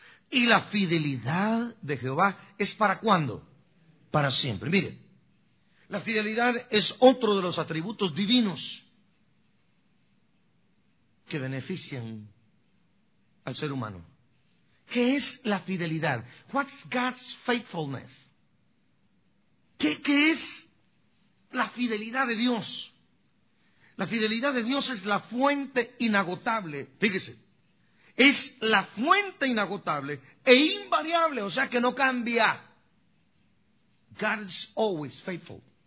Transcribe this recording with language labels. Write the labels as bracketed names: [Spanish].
[Spanish] Y la fidelidad de Jehová es ¿para cuándo? Para siempre. Mire, la fidelidad es otro de los atributos divinos que benefician al ser humano. ¿Qué es la fidelidad? [English] What's God's faithfulness? [Spanish] ¿Qué es la fidelidad de Dios? La fidelidad de Dios es la fuente inagotable, fíjese, es la fuente inagotable e invariable, o sea que no cambia. [English] God is always faithful.